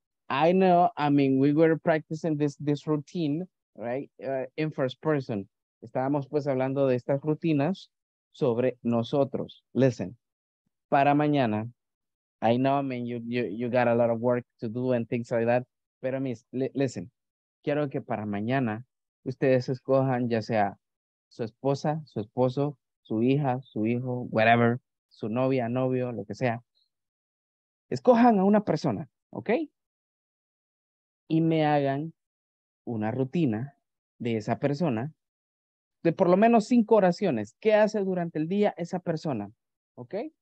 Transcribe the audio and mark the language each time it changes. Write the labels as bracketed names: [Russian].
[English] I know, I mean, we were practicing this routine, right? In first person. [Spanish] Estábamos, pues, hablando de estas rutinas sobre nosotros. [English] Listen. [Spanish] Para mañana, [English] I know, I mean, you got a lot of work to do and things like that. [Spanish] Pero, [English] miss, listen. [Spanish] Quiero que para mañana... Ustedes escojan ya sea su esposa, su esposo, su hija, su hijo, whatever, su novia, novio, lo que sea. Escojan a una persona, ¿ok? Y me hagan una rutina de esa persona de por lo menos 5 oraciones. ¿Qué hace durante el día esa persona? ¿Ok?